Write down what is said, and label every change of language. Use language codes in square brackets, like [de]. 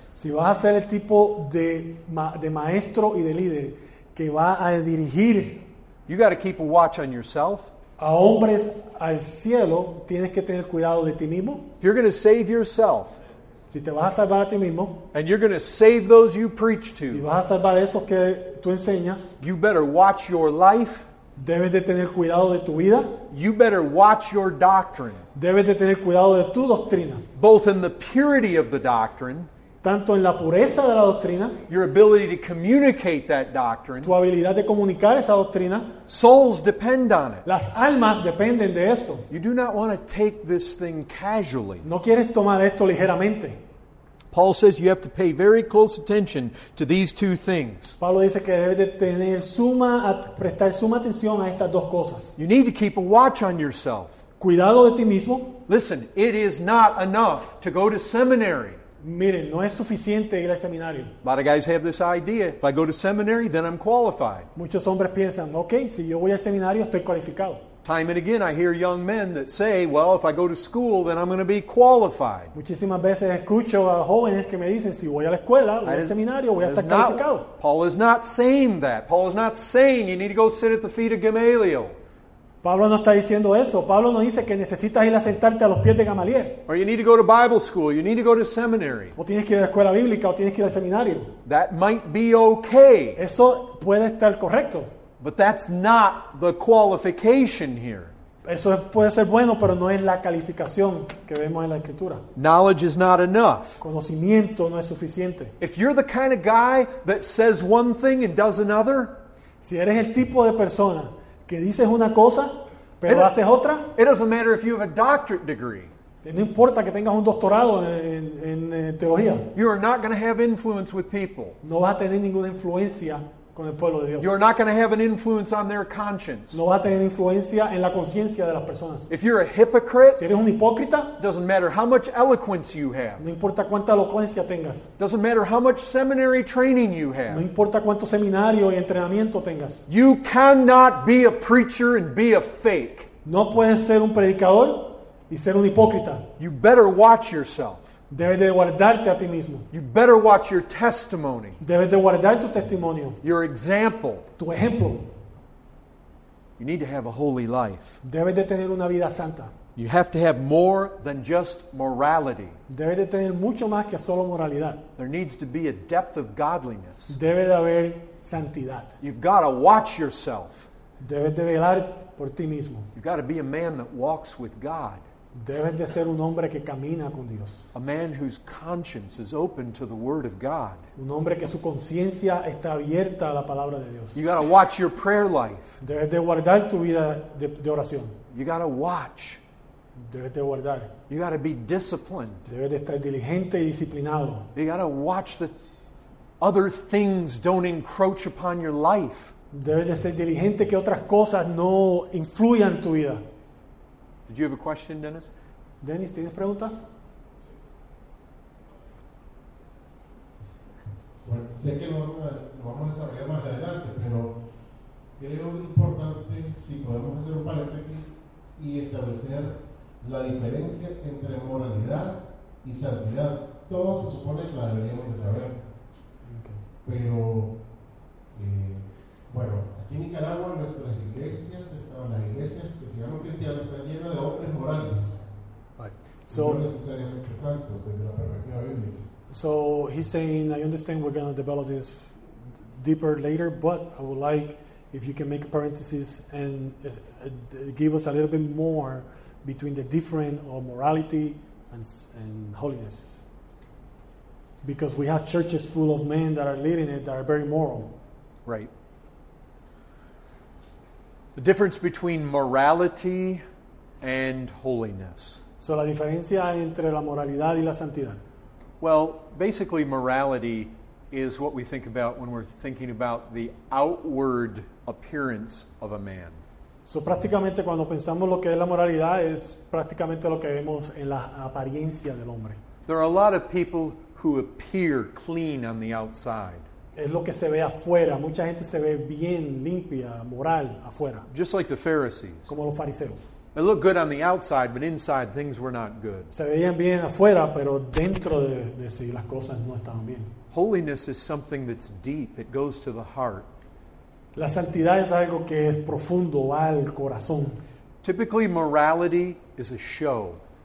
[es] si vas a ser el tipo de maestro y de líder que va a dirigir, [en] you got to keep a watch on yourself. [es] A hombres al cielo, tienes que tener cuidado de ti mismo. [en] If you're going to save yourself, [es] si te vas a salvar a ti mismo, [en] and you're going to save those you preach to, [es] y vas a salvar a esos que tú enseñas, [en] you better watch your life. [es] Debes de tener cuidado de tu vida. [en] You better watch your doctrine. [es] Debes de tener cuidado de tu doctrina. [en] Both in the purity of the doctrine, [es] tanto en la pureza de la doctrina, [en] your ability to communicate that doctrine, [es] tu habilidad de comunicar esa doctrina. [en] Souls depend on it. [es] Las almas dependen de esto. [en] You do not want to take this thing casually. [es] No quieres tomar esto ligeramente. [en] Paul says you have to pay very close attention to these two things. [es] Pablo dice que debes de tener prestar suma atención a estas dos cosas. [en] You need to keep a watch on yourself. [es] Cuidado de ti mismo. [en] Listen, it is not enough to go to seminary. [es] Miren, no es suficiente ir al seminario. [en] A lot of guys have this idea, if I go to seminary, then I'm qualified. [es] Muchos hombres piensan, okay, si yo voy al seminario, estoy cualificado. [en] Time and again, I hear young men that say, well, if I go to school, then I'm going to be qualified. [es] Muchísimas veces escucho a jóvenes que me dicen, si voy a la escuela, voy al seminario, voy a estar calificado. [en] Paul is not saying that. Paul is not saying you need to go sit at the feet of Gamaliel. [es] Pablo no está diciendo eso. Pablo no dice que necesitas ir a sentarte a los pies de Gamaliel. [en] Or you need to go to Bible school. You need to go to seminary. [es] O tienes que ir a la escuela bíblica o tienes que ir al seminario. [en] That might be okay. [es] Eso puede estar correcto. [en] But that's not the qualification here. [es] Eso puede ser bueno, pero no es la calificación que vemos en la escritura. [en] Knowledge is not enough. [es] Conocimiento no es suficiente. [en] If you're the kind of guy that says one thing and does another, [es] si eres el tipo de persona que dices una cosa pero haces otra, [en] it doesn't matter if you have a doctorate degree. [es] No importa que tengas un doctorado en teología. [en] You are not going to have influence with people. [es] No vas a tener ninguna influencia. [en] You're not going to have an influence on their conscience. [es] No va a tener influencia en la conciencia de las personas. [en] If you're a hypocrite, [es] si eres un hipócrita, [en] doesn't matter how much eloquence you have. [es] No importa cuánta elocuencia tengas. [en] Doesn't matter how much seminary training you have. [es] No importa cuánto seminario y entrenamiento tengas. [en] You cannot be a preacher and be a fake. [es] No puedes ser un predicador y ser un hipócrita. [en] You better watch yourself. [es] Debes de guardarte a ti mismo. [en] You better watch your testimony. [es] Debes de guardar tu testimonio. [en] Your example. [es] Tu ejemplo. [en] You need to have a holy life. [es] Debes de tener una vida santa. [en] You have to have more than just morality. [es] Debes de tener mucho más que solo moralidad. [en] There needs to be a depth of godliness. [es] Debe de haber santidad. [en] You've got to watch yourself. [es] Debes de velar por ti mismo. [en] You've got to be a man that walks with God. [es] Debes de ser un hombre que camina con Dios. [en] A man whose conscience is open to the word of God. [es] Un hombre que su conciencia está abierta a la palabra de Dios. [en] You got to watch your prayer life. [es] Debes de guardar tu vida de oración. [en] You got to watch. [es] Debes de guardar. [en] You got to be disciplined. [es] Debes de estar diligente y disciplinado. [en] You got to watch that other things don't encroach upon your life. [es] Debes de ser diligente que otras cosas no influyan tu vida. [en] Did you have a question, Dennis? [es] Dennis, ¿tienes pregunta? Bueno, sé que lo vamos a desarrollar más adelante, pero creo importante si podemos hacer un paréntesis y establecer la diferencia entre moralidad y santidad. Todo se supone que la deberíamos de saber. Pero, bueno, aquí en Nicaragua nuestras iglesias, estaban las iglesias que se llaman cristianas, están llenas de hombres morales. [en] Right. [es] No necesariamente santos desde la perspectiva bíblica. [en] So he's saying, I understand we're going to develop this deeper later, but I would like if you can make a parenthesis and give us a little bit more between the difference of morality and holiness. Because we have churches full of men that are leading it that are very moral. Right. The difference between morality and holiness. [es] So la diferencia entre la moralidad y la santidad. [en] Well, basically, morality is what we think about when we're thinking about the outward appearance of a man. [es] So, prácticamente, cuando pensamos lo que es la moralidad, es prácticamente lo que vemos en la apariencia del hombre. [en] There are a lot of people who appear clean on the outside. [es] Es lo que se ve afuera. Mucha gente se ve bien, limpia, moral, afuera. [en] Just like the Pharisees. [es] Como los fariseos. [en] It looked good on the outside, but inside things were not good. [es] Se veían bien afuera, pero dentro de sí las cosas no estaban bien. [en] Holiness is something that's deep. It goes to the heart. [es] La santidad es algo que es profundo, va al corazón. [en] Typically, morality is a show.